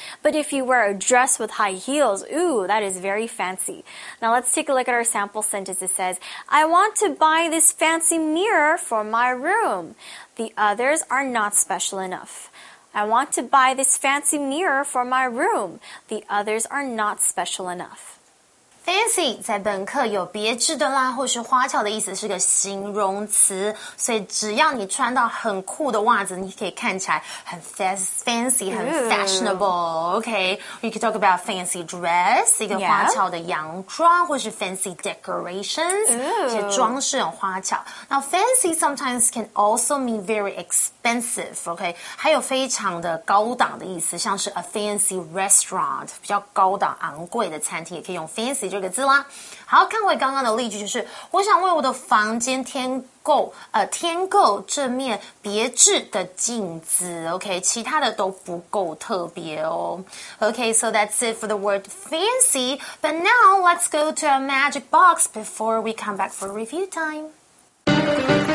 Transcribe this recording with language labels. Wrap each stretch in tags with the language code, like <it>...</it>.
<en>But if you wear a dress with high heels, ooh, that is very fancy. Now let's take a look at our sample sentence. It says, I want to buy this fancy mirror for my room. The others are not special enough. I want to buy this fancy mirror for my room. The others are not special enough.</en> <zh>Fancy 在本课有别致的啦，或是花俏的意思，是个形容词。所以只要你穿到很酷的袜子，你可以看起来很 fancy， 很 fashionable。</zh> <en>OK， we can talk about fancy dress，</en> <zh>一个花俏的洋装， yeah. 或是 fancy decorations， 一些装饰很花俏。</zh> <en>Now fancy sometimes can also mean very expensive。</en> <zh>OK， 还有非常的高档的意思，像是</zh> <en>a fancy restaurant，</en> <zh>比较高档昂贵的餐厅，也可以用 fancy。这个字啦，好，看回刚刚的例句，就是我想为我的房间添购这面别致的镜子 ，OK， 其他的都不够特别哦。</zh> <en>OK， so that's it for the word fancy. But now let's go to our magic box before we come back for review time.</en>